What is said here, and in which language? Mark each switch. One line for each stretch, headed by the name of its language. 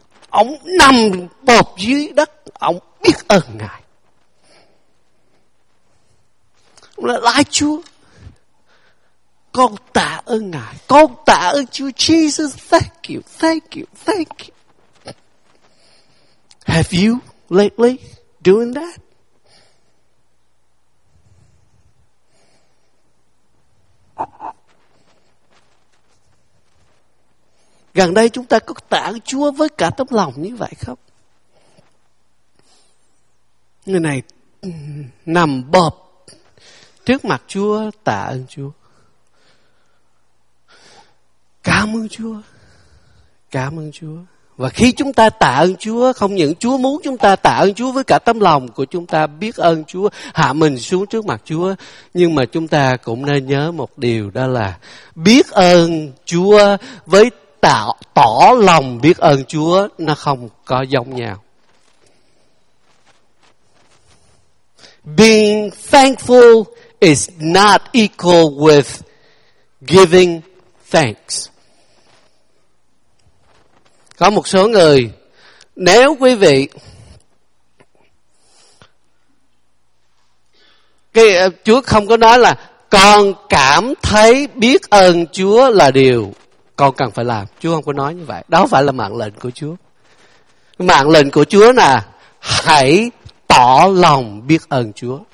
Vietnamese: Ông nằm bộp dưới đất, ông biết ơn Ngài. Ông nói: lại Chúa, con tạ ơn Ngài, con tạ ơn Chúa.
English: Jesus, thank you, thank you, thank you. Have you lately doing that?
Vietnamese: Gần đây chúng ta có tạ ơn Chúa với cả tấm lòng như vậy không? Người này nằm bợp trước mặt Chúa tạ ơn Chúa. Cảm ơn Chúa. Cảm ơn Chúa. Và khi chúng ta tạ ơn Chúa, không những Chúa muốn chúng ta tạ ơn Chúa với cả tấm lòng của chúng ta, biết ơn Chúa, hạ mình xuống trước mặt Chúa, nhưng mà chúng ta cũng nên nhớ một điều, đó là biết ơn Chúa với tỏ lòng biết ơn Chúa, nó không có giống nhau.
English: Being thankful is not equal with giving thanks.
Vietnamese: Có một số người, nếu quý vị cái, Chúa không có nói là con cảm thấy biết ơn Chúa là điều con cần phải làm. Chúa không có nói như vậy. Đó không phải là mạng lệnh của Chúa. Mạng lệnh của Chúa là hãy tỏ lòng biết ơn Chúa.